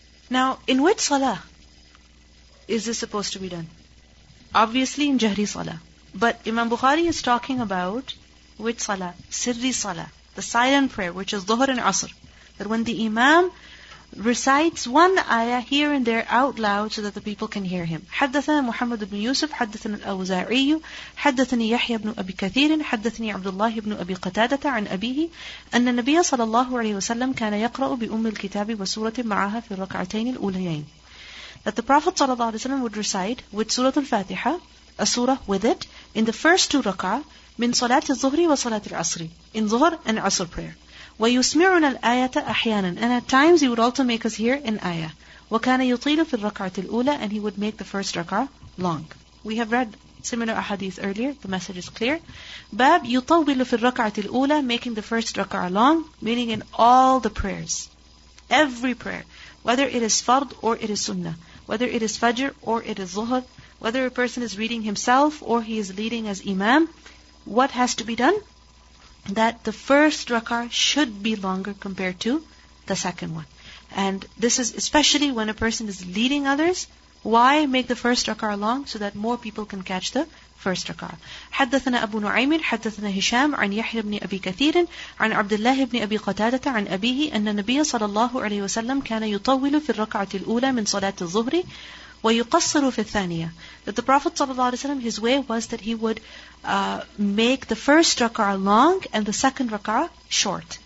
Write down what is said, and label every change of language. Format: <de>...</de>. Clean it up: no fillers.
<en>Now, in which salah is this supposed to be done? Obviously in Jahri Salah. But Imam Bukhari is talking about which Salah? Sirri Salah. The silent prayer, which is Dhuhr and Asr. That when the Imam recites one ayah here and there out loud so that the people can hear him.</en> <ar>حدثنا محمد بن يوسف حدثنا الأوزاعي حدثني يحيى بن أبي كثير حدثني عبد الله بن أبي قتادة عن أبيه أن النبي صلى الله عليه وسلم كان يقرأ بأم الكتاب وسورة معها في الركعتين الأوليين.</ar> <en>That the Prophet ﷺ would recite with Surah Al-Fatiha, a surah with it, in the first two rak'ah,</en> <ar>min salat al-zuhri wa salat al-asri,</ar> <en>in Zuhr and Asr prayer.</en> <ar>وَيُسْمِعُنَا الْآيَةَ أَحْيَانًا.</ar> <en>And at times he would also make us hear an ayah.</en> <ar>وَكَانَ يُطِيلُ فِي الرَّكَعَةِ الْأُولَى.</ar> <en>And he would make the first rak'ah long. We have read similar ahadith earlier, the message is clear. Bab</en> <ar>يُطَوِّلُ فِي الرَّكَعَةِ الْأُولَى.</ar> <en>Making the first rak'ah long, meaning in all the prayers. every prayer, whether it is fard or it is sunnah, whether it is fajr or it is zuhr, whether a person is reading himself or he is leading as imam, what has to be done? That the first rak'ah should be longer compared to the second one. And this is especially when a person is leading others. Why make the first rak'ah long? So that more people can catch the first rak'ah.</en> <ar>حدثنا أبو نعيم حدثنا هشام عن يحيى بن أبي كثير عن عبد الله بن أبي قتادة عن أبيه أن النبي صلى الله عليه وسلم كان يطول في الركعة الأولى من صلاة الظهر ويقصر في الثانية.</ar> <en>That the Prophet</en> <ar>صلى الله عليه وسلم,</ar> <en>his way was that he would make the first rak'ah long and the second rak'ah short.</en>